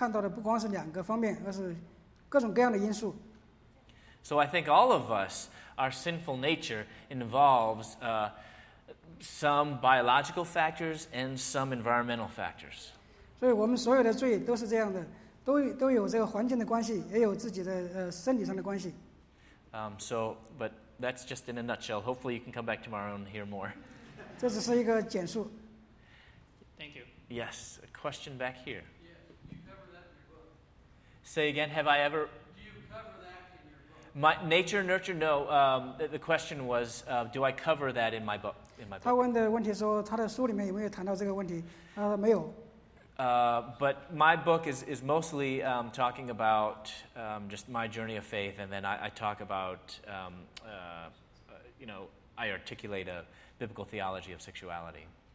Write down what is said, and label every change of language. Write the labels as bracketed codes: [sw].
[zh] 当我们把它这个同性恋当成一种罪性的时候，我们就会看到的不光是两个方面，而是各种各样的因素。 [en] So I think all of us, our sinful nature involves some biological factors and some environmental factors. [zh] 所以我们所有的罪都是这样的，都有这个环境的关系，也有自己的生理上的关系。 [en] But that's just in a nutshell. Hopefully you can come back tomorrow and hear more. [zh] 这只是一个简述。 [en] Thank you. Yes, a question back here. Yeah, you cover that in your book. Say again, have I ever... Do you cover that in your book? My nature, nurture, no. The question was, do I cover that in my book? [zh] 他问的问题说，他的书里面有没有谈到这个问题？没有。 [en] But my book is mostly talking about just my journey of faith, and then I talk about, I articulate a biblical theology of sexuality.